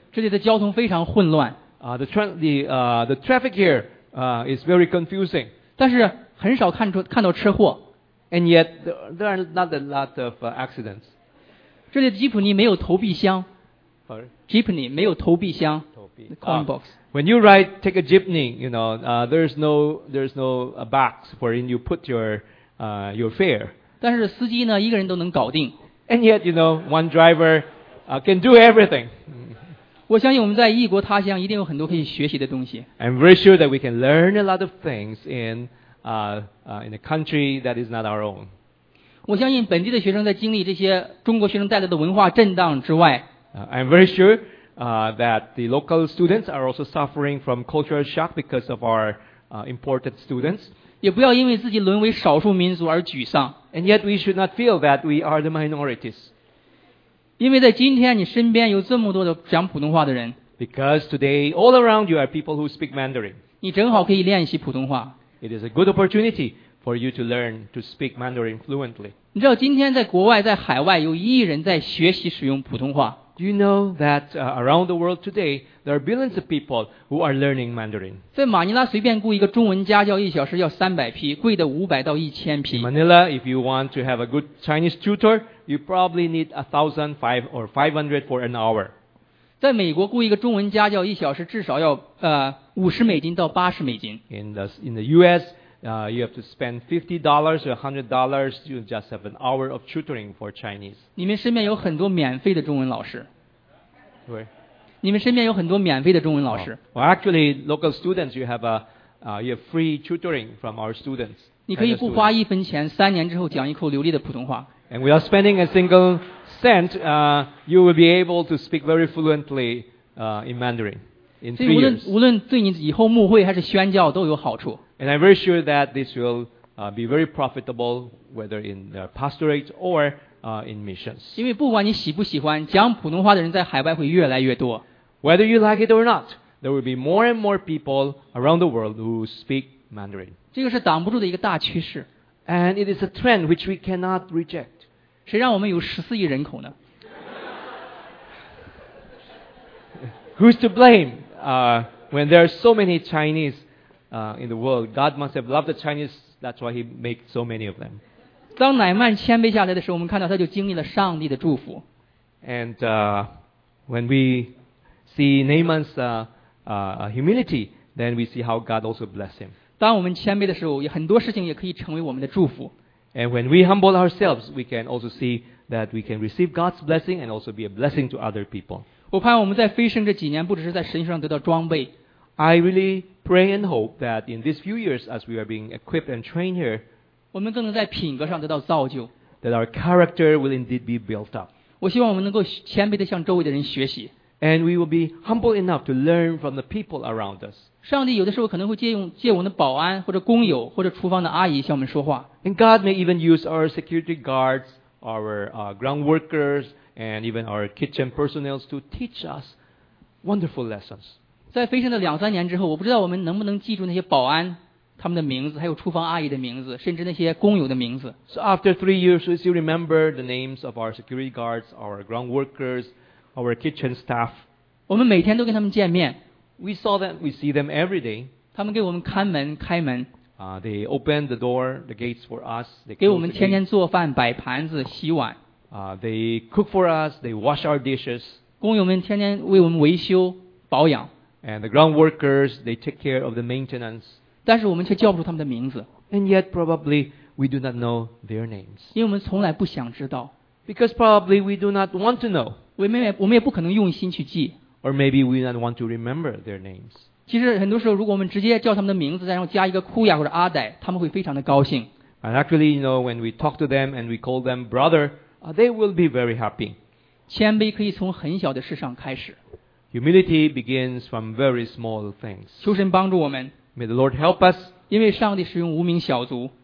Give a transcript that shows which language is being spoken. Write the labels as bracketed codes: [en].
[zh] 这里的交通非常混乱。 [en] The traffic here, is very confusing. [zh] 但是很少看到车祸。 [en] And yet, there are not a lot of, accidents. [zh] 这里的吉普尼没有投币箱。 [en] Sorry? [zh] 吉普尼没有投币箱。 [en] Coin box. When you ride, take a jeepney, you know, there's no box wherein you put your fare. [zh] 但是司机呢一个人都能搞定。 [en] And yet, you know, one driver, can do everything. [zh] 我相信我们在异国他乡一定有很多可以学习的东西。 [en] I'm very sure that we can learn a lot of things in a country that is not our own. [zh] 我相信本地的学生在经历这些中国学生带来的文化震荡之外。 [en] I'm very sure, that the local students are also suffering from cultural shock because of our, imported students. [zh] 也不要因为自己沦为少数民族而沮丧。 [en] And yet we should not feel that we are the minorities. [zh] 因为在今天你身边有这么多的讲普通话的人 [en] Because today all around you are people who speak Mandarin [zh] 你正好可以练习普通话 [en] It is a good opportunity for you to learn to speak Mandarin fluently [zh] 你知道今天在国外在海外有一亿人在学习使用普通话 [en] Do you know that, around the world today there are billions of people who are learning Mandarin [zh] 在马尼拉随便雇一个中文家教一小时要300匹贵的500到1000匹 [en] In Manila if you want to have a good Chinese tutorYou probably need 1,500 for an hour. [zh] 在美国雇一个中文家教一小时至少要 [en] $50 to $80. In the US, you have to spend $50 or $100 to just have an hour of tutoring for Chinese. [zh] 你们身边有很多免费的中文老师。 [en] Where? [zh] 你们身边有很多免费的中文老师。 [en] Oh. Well, actually, local students, you have free tutoring from our students. [zh] 你可以不花一分钱，三年之后讲一口流利的普通话。 [en] And without spending a single cent, you will be able to speak very fluently, in Mandarin in 3 years. [zh] 无论对你以后牧会还是宣教都有好处。 [en] And I'm very sure that this will, be very profitable, whether in the pastorate or, in missions. [zh] 因为不管你喜不喜欢，讲普通话的人在海外会越来越多。 [en] Whether you like it or not, there will be more and more people around the world who speak Mandarin. [zh] 这个是挡不住的一个大趋势。 [en] And it is a trend which we cannot reject. [zh] 谁让我们有14亿人口呢？ [en] Who's to blame? When there are so many Chinese in the world, God must have loved the Chinese, that's why he made so many of them. [zh] 当乃曼谦卑下来的时候，我们看到他就经历了上帝的祝福。 [en] And when we see Naaman's humility, then we see how God also blessed him. [zh] 当我们谦卑的时候，有很多事情也可以成为我们的祝福。 [en] And when we humble ourselves, we can also see that we can receive God's blessing and also be a blessing to other people. [zh] 我盼望我们在飞升这几年，不只是在神学上得到装备。 [en] I really pray and hope that in these few years, as we are being equipped and trained here, [zh] 我们更能在品格上得到造就。 [en] That our character will indeed be built up. [zh] 我希望我们能够谦卑地向周围的人学习。 [en] And we will be humble enough to learn from the people around us. [zh] 上帝有的时候可能会借我们的保安或者工友或者厨房的阿姨向我们说话。 [en] And God may even use our security guards, our ground workers, and even our kitchen personnel to teach us wonderful lessons. [zh] 在飞升的两三年之后，我不知道我们能不能记住那些保安他们的名字，还有厨房阿姨的名字，甚至那些工友的名字。 [en] So after 3 years, we still remember the names of our security guards, our ground workers, our kitchen staff. [zh] 我们每天都跟他们见面。 [en] We saw them, we see them every day. [zh] 他们给我们看门，开门。 [en] They opened the door, the gates for us. They [zh] 给我们天天做饭，摆盘子，洗碗。 [en] They cook for us, they wash our dishes. [zh] 工友们天天为我们维修保养。 [en] And the ground workers, they take care of the maintenance. [zh] 但是我们却叫不出他们的名字。 [en] And yet, probably we do not know their names. [zh] 因为我们从来不想知道。 [en] Because probably we do not want to know. [zh] 我们也不可能用心去记。 [en] Or maybe we do not want to remember their names. [zh] 其实很多时候，如果我们直接叫他们的名字，再然后加一个库亚或者阿歹，他们会非常的高兴。 [en] And actually, you know, when we talk to them and we call them brother, they will be very happy. [zh] 谦卑可以从很小的事上开始。 [en] Humility begins from very small things. [zh] 求神帮助我们。 [en] May the Lord help us. [zh] 因为上帝使用无名小卒。